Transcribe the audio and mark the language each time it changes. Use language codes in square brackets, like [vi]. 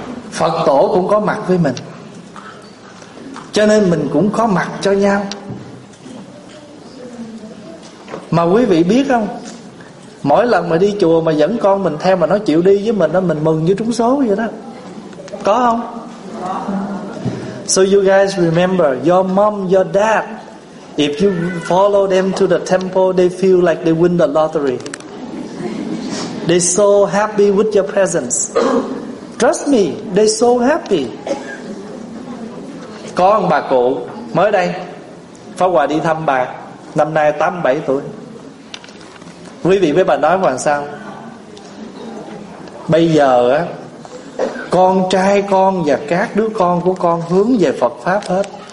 [vi] Phật Tổ cũng có mặt với mình, cho nên mình cũng có mặt cho nhau. Mà quý vị biết không, mỗi lần mà đi chùa mà dẫn con mình theo mà nó chịu đi với mình đó, mình mừng như trúng số vậy đó. Có không? [en] So you guys remember, your mom, your dad, if you follow them to the temple, they feel like they win the lottery. They so happy with your presence. Trust me, they so happy. [vi] Có ông bà cụ mới đây, Pháp Hòa đi thăm bà, năm nay 87 tuổi. Quý vị với bà nói mà sao? Bây giờ á, con trai con và các đứa con của con hướng về Phật Pháp hết.